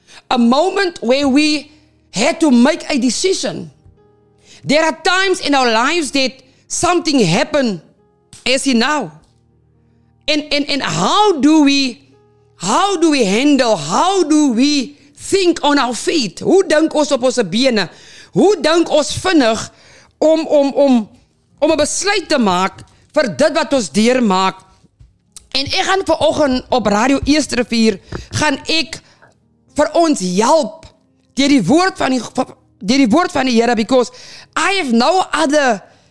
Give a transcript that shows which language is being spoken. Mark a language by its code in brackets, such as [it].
[en] A moment where we had to make a decision. There are times in our lives that something happened, as in now. And how do we handle, how do we think on our feet? [af] Hoe dink ons op ons bene? Hoe dink ons vinnig om 'n besluit te maak vir dit wat ons deur maak? En ek gaan vanoggend op Radio Eersterivier gaan ek vir ons help deur die woord van die Here, [en] because I have no other